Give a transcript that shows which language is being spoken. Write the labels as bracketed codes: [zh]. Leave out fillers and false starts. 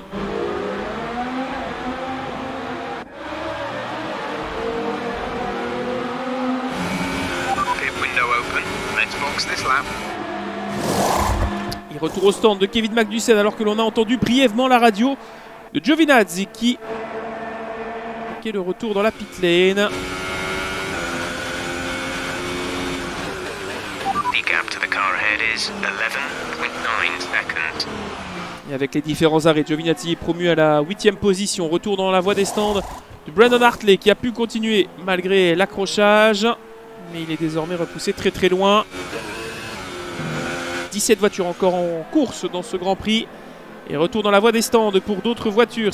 [en] Pit window open. Let's box this lap. [fr] Il retourne au stand de Kevin Magnussen alors que l'on a entendu brièvement la radio de Giovinazzi qui est le retour dans la pit lane. [en] The gap to the car ahead is 11.9 seconds. [fr] Et avec les différents arrêts, Giovinazzi est promu à la 8e position. Retour dans la voie des stands de Brandon Hartley qui a pu continuer malgré l'accrochage. Mais il est désormais repoussé très très loin. 17 voitures encore en course dans ce Grand Prix. Et retour dans la voie des stands pour d'autres voitures.